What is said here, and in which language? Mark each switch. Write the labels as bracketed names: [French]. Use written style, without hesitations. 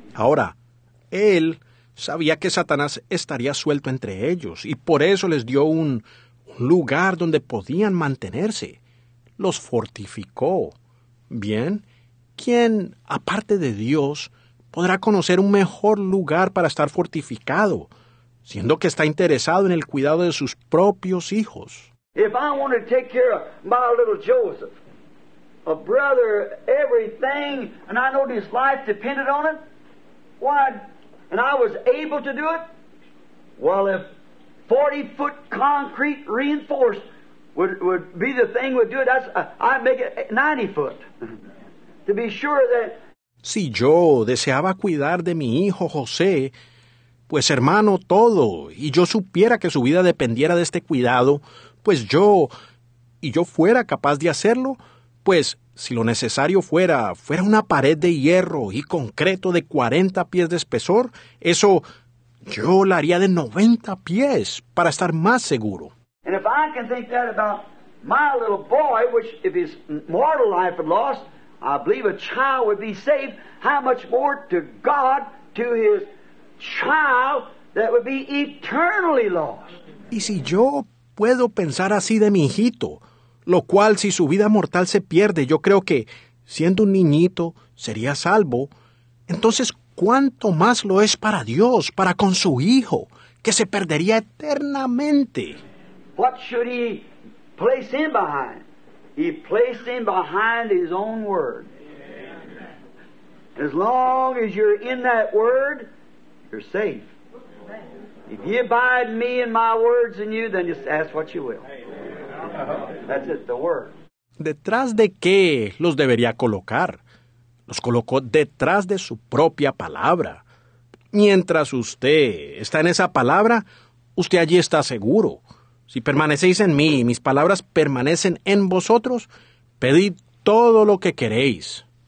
[Spanish] Ahora, él sabía que Satanás estaría suelto entre ellos, y por eso les dio un lugar donde podían mantenerse. Los fortificó. Bien, ¿quién, aparte de Dios, podrá conocer un mejor lugar para estar fortificado, siendo que está interesado en el cuidado de sus propios hijos? [English] If I want to take care of my little Joseph, a brother, everything, and I know his life depended on it, why, and I was able to do it, well, if 40-foot concrete reinforced would be the thing would do it, that's, I'd make it 90-foot. To be sure that [Spanish] si yo deseaba cuidar de mi hijo José, pues hermano todo, y yo supiera que su vida dependiera de este cuidado, pues yo, y yo fuera capaz de hacerlo, pues si lo necesario fuera una pared de hierro y concreto de 40 pies de espesor, eso yo la haría de 90 pies para estar más seguro. [English] And if I can think that about my little boy, which if his mortal life had lost, I believe a child would be saved, how much more to God, to his child that would be eternally lost? [Spanish] Y si yo puedo pensar así de mi hijito, lo cual si su vida mortal se pierde, yo creo que siendo un niñito sería salvo, entonces cuánto más lo es para Dios, para con su hijo, que se perdería eternamente. [English] What should he place him behind? He placed him behind his own word. As long as you're in that word, you're safe. If you abide me and my words in you, then just ask what you will. That's it, the word. [Spanish] ¿Detrás de qué los debería colocar? Los colocó detrás de su propia palabra. Mientras usted está en esa palabra, usted allí está seguro. Si permanecéis en mí y mis palabras permanecen en vosotros, pedid todo lo que queréis.